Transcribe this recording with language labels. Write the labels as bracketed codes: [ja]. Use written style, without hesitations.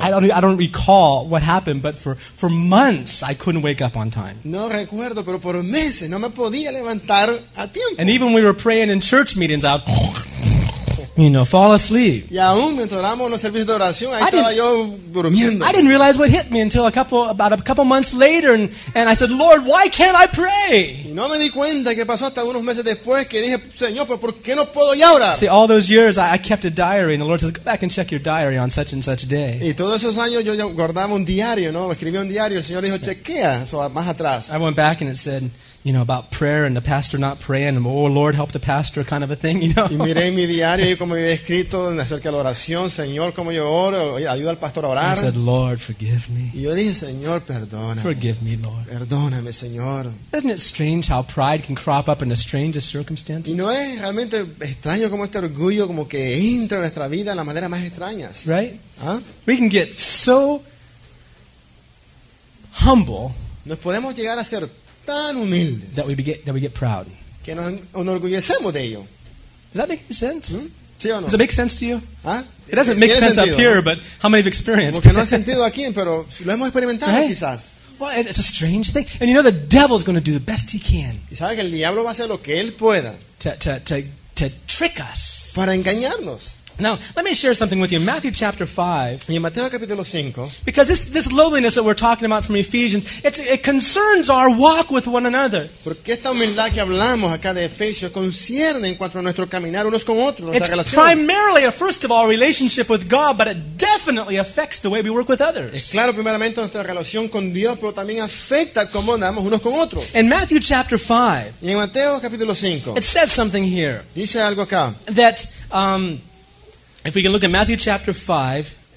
[en] I don't recall what happened, but for months I couldn't wake up on time. [es] No recuerdo, pero por meses no me podía levantar a tiempo. [en] And even when we were praying in church meetings, I'd you know, fall asleep. [es] Y aún mientras oramos en los servicios de oración, ahí estaba yo durmiendo. [en] I didn't realize what hit me until about a couple months later, and I said, Lord, why can't I pray? [es] Y no me di cuenta que pasó hasta unos meses después que dije, Señor, pero ¿por qué no puedo ya orar? [en] See, all those years I kept a diary, and the Lord says, go back and check your diary on such and such day. [es] Y todos esos años yo guardaba un diario, ¿no? Escribía un diario. El Señor dijo, chequea, eso más atrás. [en] I went back and it said, you know, about prayer and the pastor not praying, and oh Lord, help the pastor, kind of a thing, you know. [es] Y miré mi diario y como había escrito acerca de la oración, Señor, como yo oro, ayuda al pastor a orar. [en] I said, Lord, forgive me. [es] Y yo dije, Señor, perdóname. [en] Forgive me, Lord. [es] Perdóname, Señor. [en] Isn't it strange how pride can crop up in the strangest circumstances? [es] Y no es realmente extraño como este orgullo como que entra en nuestra vida en las maneras más extrañas. [en] Right? ¿Ah? We can get so humble. [es] Nos podemos llegar a ser tan humildes, [en] that we get proud. [es] Que nos enorgullecemos de ello. [en] Does that make any sense? [es] ¿Sí o no? [en] Does it make sense to you? ¿Ah? It doesn't make sense [es] sentido, [en] up here, [es] ¿no? [en] But how many have experienced? [es] Porque no ha sentido aquí, pero lo hemos experimentado, [en] right? [es] Quizás. [en] Well, it's a strange thing. And you know the devil's going to do the best he can. [es] Y sabe que el diablo va a hacer lo que él pueda. [en] To trick us. [es] Para engañarnos. [en] Now, let me share something with you. Matthew chapter 5. [es] Y en Mateo capítulo 5. [en] Because this lowliness that we're talking about from Ephesians, it concerns our walk with one another. [es] Porque esta humildad que hablamos acá de Efesios concierne en cuanto a nuestro caminar unos con otros. [en] It's primarily, first of all, relationship with God, but it definitely affects the way we work with others. [es] Es claro, primeramente nuestra relación con Dios, pero también afecta cómo andamos unos con otros. [en] In Matthew chapter 5. [es] Y en Mateo capítulo 5. [en] It says something here. [es] Dice algo acá. [en] That if we can look at Matthew chapter 5,